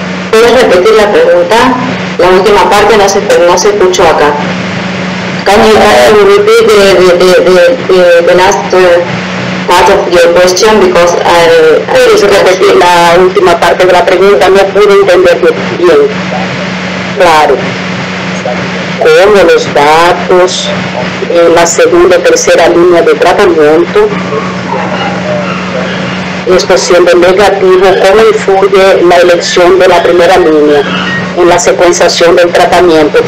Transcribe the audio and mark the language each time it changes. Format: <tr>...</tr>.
<es>¿Puedes repetir la pregunta? La última parte no se escuchó acá.</es> <en>Can you repeat the last part of your question? Because I</en> <es>repetir la última parte de la pregunta, no pude entender bien. Claro. tenemos los datos en la segunda y tercera línea de tratamiento. Esto siendo negativo, ¿cómo influye la elección de la primera línea en la secuenciación del tratamiento?</es>